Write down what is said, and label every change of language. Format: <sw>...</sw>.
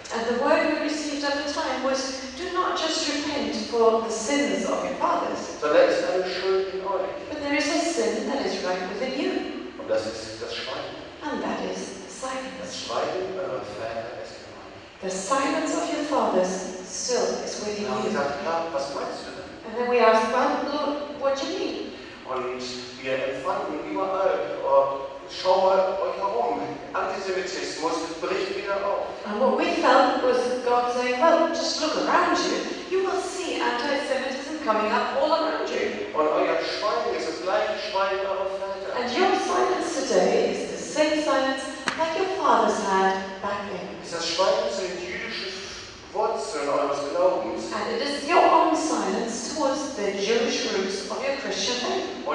<en>And the word we received at the time was: Do not just repent for the sins of your fathers. So there is</en> <de>eine Schuld in euch.</de> <en>But there is a sin that is right within you.</en> <de>Und das ist das Schweigen.</de> <en>And that is silence.</en> <de>Das Schweigen eurer Väter ist in euch.</de> <en>The silence of your fathers still is within you.</en> <de>Und dann haben wir gesagt: Was meinst du denn?</de> <en>And then we asked, well, Lord, what do you mean?</en> <de>Und wir empfanden überall: Schau mal euch herum. Antisemitismus bricht wieder auf.</de> <en>And what we felt was God saying, well, just look around you. You will see anti-Semitism coming up all around you.</en> <de>Und euer Schweigen ist das gleiche Schweigen eurer Väter.</de> <en>And your silence today is the same silence that your fathers had back then.</en> <de>Ist das Schweigen zu den jüdischen Wurzeln eures Glaubens.</de> <en>And it is your own silence towards the Jewish roots of your Christian faith.</en>